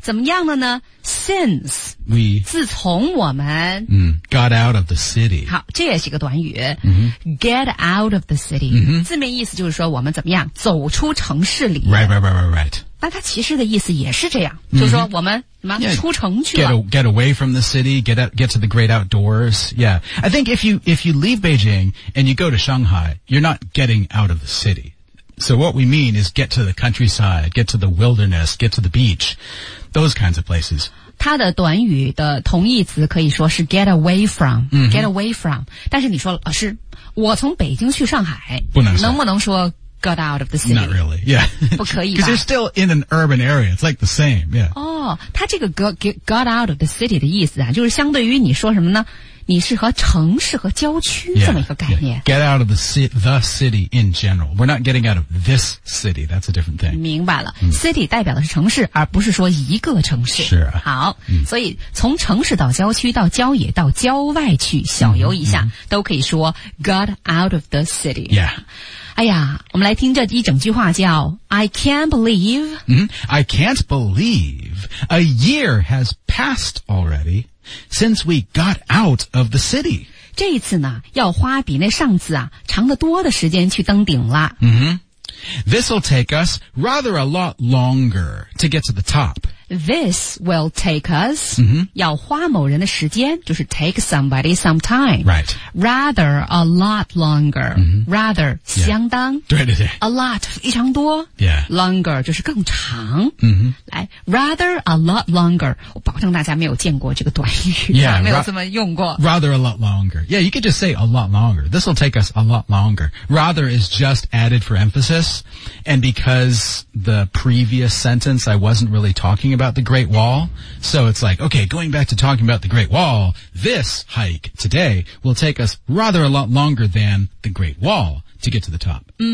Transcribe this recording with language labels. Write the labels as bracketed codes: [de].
[zh] 怎么样了呢？ [en] Since, [zh] 自从我们 [en] got out of the city. [zh] 好，这也是一个短语、 mm-hmm. [en] get out of the city.、 Mm-hmm. [zh] 字面意思就是说我们怎么样走出城市里。 [en] Right. [zh] 那它其实的意思也是这样、mm-hmm. 就是说我们出城去了。 [en] Get away from the city, get to the great outdoors. Yeah. I think if you leave Beijing and you go to Shanghai, you're not getting out of the city. So what we mean is get to the countryside, get to the wilderness, get to the beach. Those kinds of places. [zh] 它的短语的同义词可以说是 [en] get away from,、 mm-hmm. get away from. [zh] 但是你说老师我从北京去上海不能说。能不能说 [en] got out of the city? Not really, yeah. [zh] 不可以吧。 [en] Because you're still in an urban area, it's like the same, yeah. [zh] 哦它这个 [en] got out of the city [zh] 的意思啊就是相对于你说什么呢你是和城市和郊区这么一个概念。 [en] Yeah. Get out of the city in general. We're not getting out of this city. That's a different thing. [zh] 明白了。City 代表的是城市而不是说一个城市。是啊。好。所以从城市到郊区到郊野到郊外去小游一下都可以说 [en] got out of the city. Yeah. [zh] 哎呀我们来听这一整句话叫 [en] I can't believe.、 Mm-hmm. I can't believe a year has passed already. Since we got out of the city. [zh] 这一次呢要花比那上次啊长得多的时间去登顶了。 Mm-hmm. [en] This will take us rather a lot longer to get to the top. This will take us,、 mm-hmm. [zh] 要花某人的时间就是 [en] take somebody some time. Right. Rather a lot longer.、 Mm-hmm. Rather,、yeah. [zh] 相当。对对对。 [en] A lot, [zh] 非常多。 [en] Yeah. [zh] Longer, 就是更长。 Mm-hmm. [en] 来 rather a lot longer. [zh] 我保证大家没有见过这个短语。 [en] Yeah. [zh] 没有这么用过。 [en] Rather a lot longer. Yeah, you could just say a lot longer. This will take us a lot longer. Rather is just added for emphasis. And because the previous sentence I wasn't really talking about the Great Wall. So it's like, okay, going back to talking about the Great Wall, this hike today will take us rather a lot longer than the Great Wall to get to the top.